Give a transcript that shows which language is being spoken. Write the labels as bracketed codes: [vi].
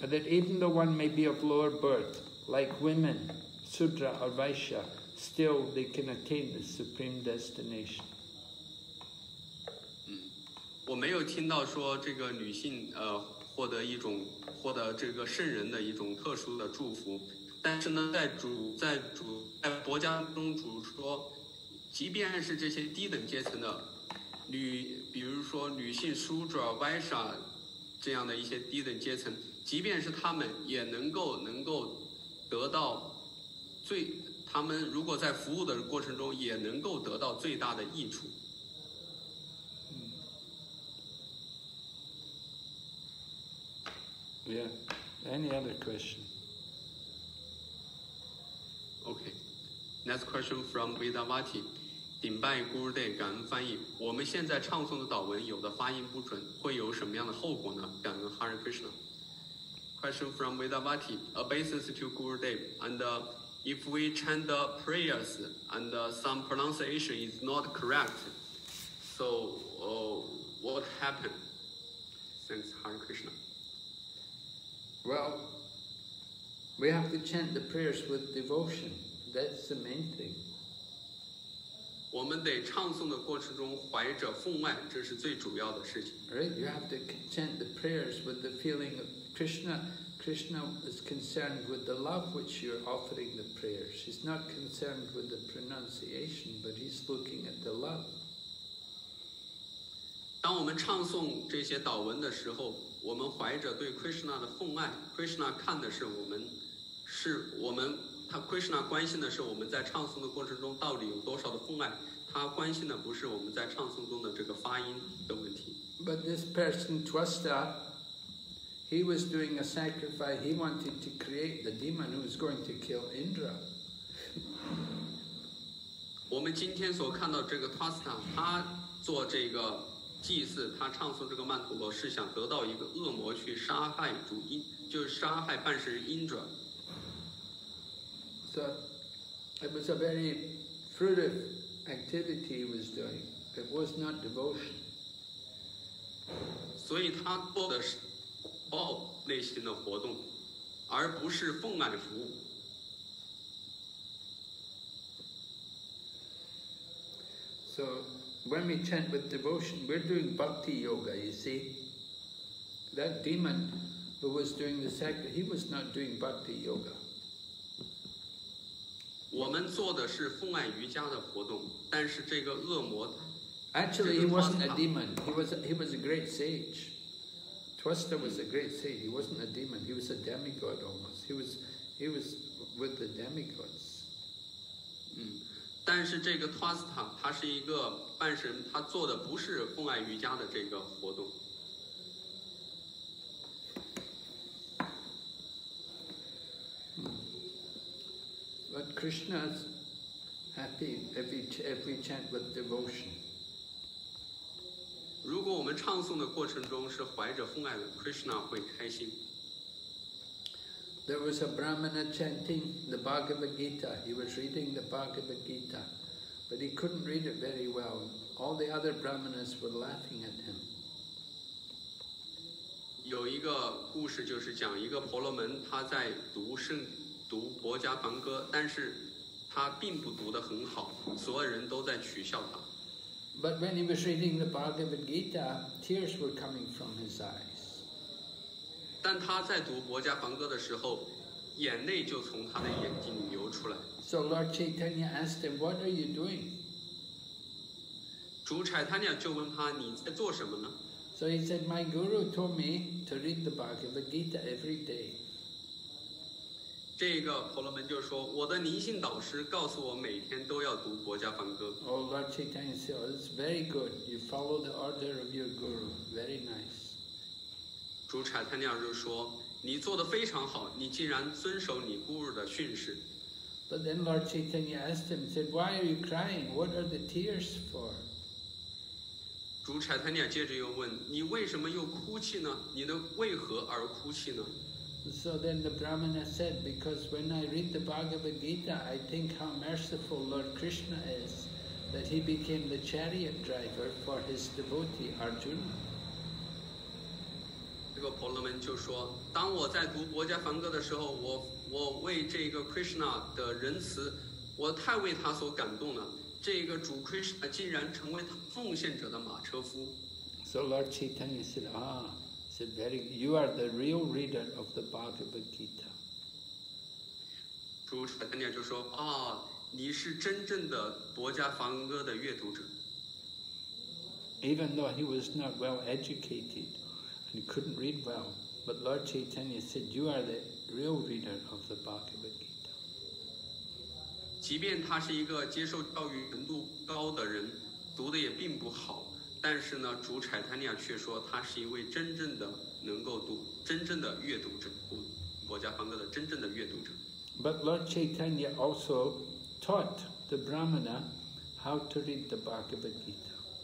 [en] That even though one may be of lower birth, like women, Sudra or Vaishya, still they can attain the supreme destination. [zh] 我没有听到说这个女性获得这个圣人的一种特殊的祝福，但是呢，在佛家中主说，即便是这些低等阶层的女，比如说女性 Sudra Vaishya 这样的一些低等阶层，即便是他们也能够得到最，他们如果在服务的过程中也能够得到最大的益处。 [en] Yeah. Any other question? Okay. Next question from Vidavati. [zh] 顶拜 [en] Guru Day, [zh] 感恩翻译。我们现在唱诵的祷文有的发音不准，会有什么样的后果呢？感恩 Hare Krishna. [en] Question from Vedavati, obeisance to Guru Dev, and if we chant the prayers and some pronunciation is not correct, so what happened? Thanks, Hare Krishna. Well, we have to chant the prayers with devotion. That's the main thing. [zh] 我们得唱诵的过程中怀着奉爱，这是最主要的事情。 [en] Right, you have to chant the prayers with the feeling of Krishna is concerned with the love which you're offering the prayers. He's not concerned with the pronunciation, but he's looking at the love. [zh] 当我们唱诵这些祷文的时候，我们怀着对 Krishna 的奉爱。 Krishna 看的是我们，是我们，他 Krishna 关心的是我们在唱诵的过程中到底有多少的奉爱。他关心的不是我们在唱诵中的这个发音的问题。 [en] But this person, Twasta,He was doing a sacrifice. He wanted to create the demon who was going to kill Indra. [zh] 我们今天所看到这个 Twasta, 他做这个祭祀，他唱诵这个曼陀罗，是想得到一个恶魔去杀害主因，就是杀害半神 Indra. [en] So it was a very fruitive activity he was doing. It was not devotion. [zh] 所以他做的是。报内心的活动，而不是奉爱的服务。 [en] So when we chant with devotion, we're doing bhakti yoga. You see, that demon who was doing the sacrifice, he was not doing bhakti yoga. [zh] 我们做的是奉爱瑜伽的活动，但是这个恶魔 [en] ，Actually, he wasn't a demon. He was a great sage. Twasta was a great saint. He wasn't a demon. He was a demigod almost. He was with the demigods. [zh] 但是这个 Twasta, 他是一个半神，他做的不是奉爱瑜伽的这个活动。 [en] But Krishna's happy if we chant with devotion. [zh] 如果我们唱诵的过程中是怀着风爱的 ，Krishna 会开心。 [en] There was a Brahmana chanting the Bhagavad Gita. He was reading the Bhagavad Gita, but he couldn't read it very well. All the other Brahmanas were laughing at him. [zh] 有一个故事就是讲一个婆罗门，他在读圣读《薄伽梵歌》，但是他并不读得很好，所有人都在取笑他。 [en] But when he was reading the Bhagavad Gita, tears were coming from his eyes. [zh] 但他在读《薄伽梵歌》的时候，眼泪就从他的眼睛里流出来。 [en] So Lord Chaitanya asked him, "What are you doing?" [zh] 主 Chaitanya 就问他，你在做什么呢？ [en] So he said, "My guru told me to read the Bhagavad Gita every day." [zh] 这个婆罗门就说，我的灵性导师告诉我每天都要读《薄伽梵歌》。 [en] Oh Lord Chaitanya said, "It's very good. You follow the order of your guru. Very nice." [zh] 主 Chaitanya 就说，你做得非常好，你竟然遵守你 guru 的训示。 [en] But then Lord Chaitanya asked him, said, "Why are you crying? What are the tears for?" [zh] 主 Chaitanya 接着又问，你为什么又哭泣呢？你的为何而哭泣呢？ [en] So then the Brahmana said, "Because when I read the Bhagavad Gita, I think how merciful Lord Krishna is, that he became the chariot driver for his devotee Arjuna." [zh] 这个婆罗门就说，当我在读《薄伽梵歌》的时候，我为这个 Krishna 的仁慈，我太为他所感动了。这个主 Krishna 竟然成为他奉献者的马车夫。 [en] So Lord Chaitanya said, "Ah, said very, you are the real reader of the Bhagavad Gita." [zh] 主 Chaitanya 就说，啊，你是真正的《薄伽梵歌》的阅读者。 [en] Even though he was not well educated and couldn't read well, but Lord Chaitanya said, "You are the real reader of the Bhagavad Gita." [zh] 即便他是一个接受教育程度高的人，读的也并不好，但是呢，主柴坦尼亚却说他是一位真正的能够读、真正的阅读者，《薄伽梵歌》的真正的阅读者。 [en] But Lord Chaitanya also taught the Brahmana how to read the Bhagavad Gita.